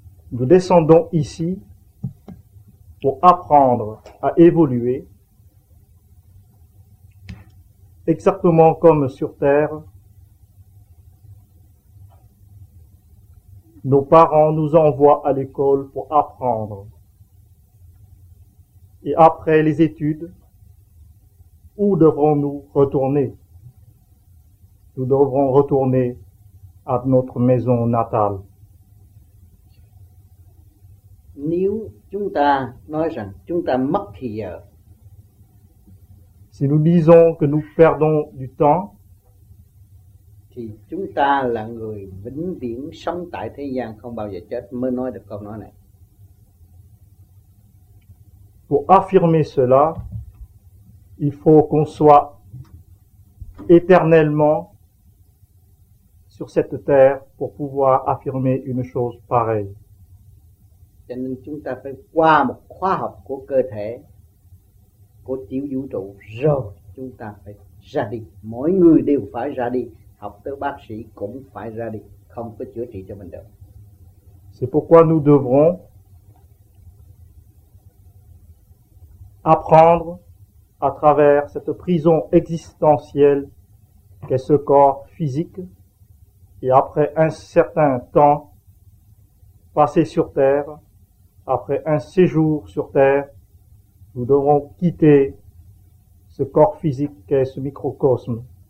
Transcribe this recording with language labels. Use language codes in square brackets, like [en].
[fr] Nous descendons ici pour apprendre à évoluer, exactement comme sur Terre, nos parents nous envoient à l'école pour apprendre. Et après les études, où devrons-nous retourner? Nous devrons retourner à notre maison natale. [vi] Nếu chúng ta nói rằng chúng ta mất thì giờ. [fr] Si nous disons que nous perdons du temps, [vi] thì chúng ta là người vĩnh viễn sống tại thế gian không bao giờ chết mới nói được câu nói này. [fr] Pour affirmer cela, il faut qu'on soit éternellement sur cette terre pour pouvoir affirmer une chose pareille. [vi] Cho nên chúng ta phải qua một khoa học của cơ thể, của tiểu vũ trụ, rồi chúng ta phải ra đi. Mỗi người đều phải ra đi, học tới bác sĩ cũng phải ra đi, không có chữa trị cho mình được. [fr] C'est pourquoi nous devrons apprendre à travers cette prison existentielle qu'est ce corps physique, et après un certain temps passé sur Terre, après un séjour sur Terre, nous devons quitter ce corps physique qu'est ce microcosme.